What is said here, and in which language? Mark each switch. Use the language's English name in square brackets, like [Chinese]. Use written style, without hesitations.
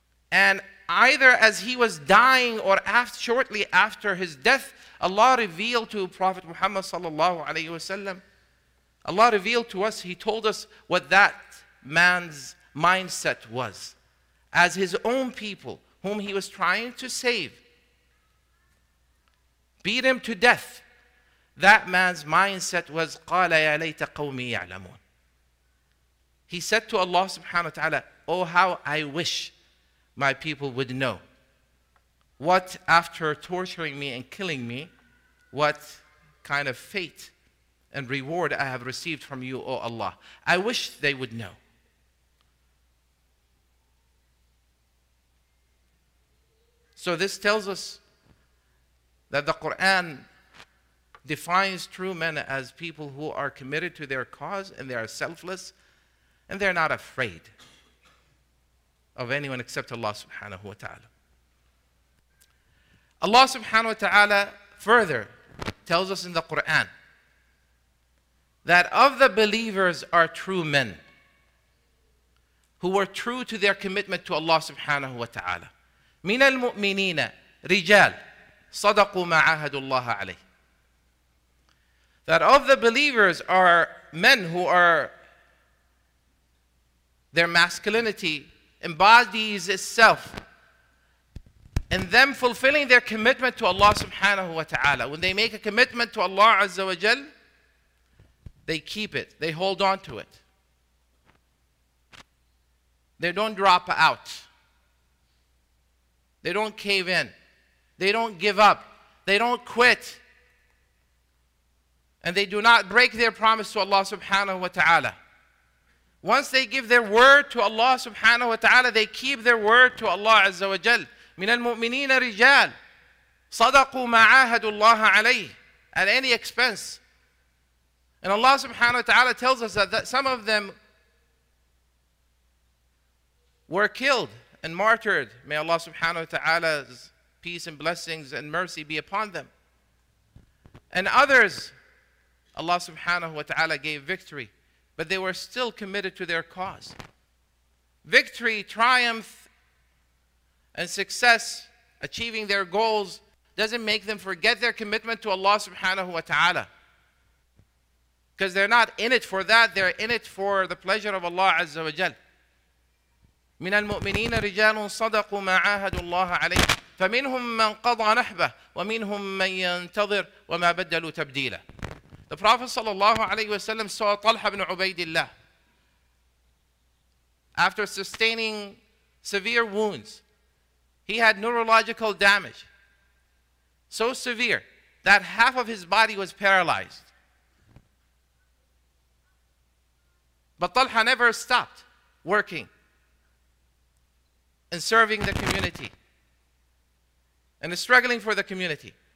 [English] And either as he was dying or shortly after his death, Allah revealed to Prophet Muhammad sallallahu alayhi wasallam, Allah revealed to us, he told us what that man's mindset was as his own people, whom he was trying to save, beat him to death. That man's mindset was, [Arabic] قَالَ يَا لَيْتَ قَوْمِي يَعْلَمُونَ. [English] He said to Allah subhanahu wa ta'ala, oh, how I wish my people would know what, after torturing me and killing me, what kind of fate and reward I have received from you, O Allah. I wish they would know. So this tells us that the Quran defines true men as people who are committed to their cause and they are selfless and they're not afraid of anyone except Allah subhanahu wa ta'ala. Allah subhanahu wa ta'ala further tells us in the Quran that of the believers are true men who were true to their commitment to Allah subhanahu wa ta'ala. [Arabic] من المؤمنين رجال صدقوا ما عاهدوا الله عليه. [English] That of the believers are men who are, their masculinity embodies itself in them fulfilling their commitment to Allah subhanahu wa ta'ala. When they make a commitment to Allah azza wa jal, they keep it, they hold on to it. They don't drop out. They don't cave in. They don't give up. They don't quit. And they do not break their promise to Allah subhanahu wa ta'ala. Once they give their word to Allah subhanahu wa ta'ala, they keep their word to Allah azza wa jal. [Arabic] من المؤمنين رجال صدقوا ما عاهدوا الله عليه. [English] At any expense. And Allah subhanahu wa ta'ala tells us that some of them were killed and martyred. May Allah subhanahu wa ta'ala's peace and blessings and mercy be upon them. And others, Allah subhanahu wa ta'ala gave victory, but they were still committed to their cause. Victory, triumph, and success, achieving their goals, doesn't make them forget their commitment to Allah subhanahu wa ta'ala. Because they're not in it for that, they're in it for the pleasure of Allah azza wa jal. [Arabic] من المؤمنين رجال صدقوا ما عاهدوا الله عليه فمنهم من قضى نحبه ومنهم من ينتظر وما بدلوا تبديلا. [English] The Prophet صلى الله عليه وسلم saw Talha ibn Ubaidillah after sustaining severe wounds. He had neurological damage so severe that half of his body was paralyzed, but Talha never stopped working and serving the community and struggling for the community.